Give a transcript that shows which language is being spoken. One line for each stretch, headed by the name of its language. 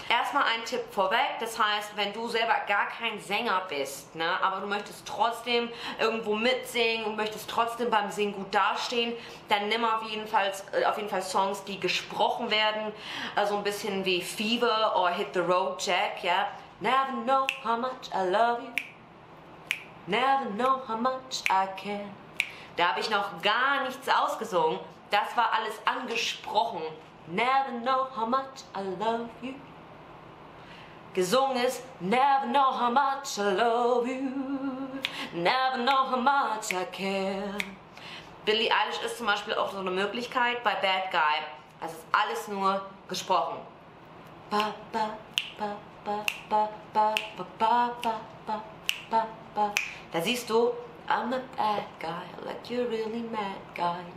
German: Erstmal ein Tipp vorweg, das heißt, wenn du selber gar kein Sänger bist, ne? Aber du möchtest trotzdem irgendwo mitsingen und möchtest trotzdem beim Singen gut dastehen, dann nimm auf jeden Fall Songs, die gesprochen werden, also ein bisschen wie Fever oder Hit the Road Jack, ja.
English: Never know how much I love you, never know how much I care.
German: Da habe ich noch gar nichts ausgesungen, das war alles angesprochen.
English: Never know how much I love you.
German: Gesungen ist,
English: never know how much I love you, never know how much I care.
German: Billie Eilish ist zum Beispiel auch so eine Möglichkeit bei Bad Guy. Es ist alles nur gesprochen. Da siehst du,
English: I'm a bad guy, like you're really mad guy.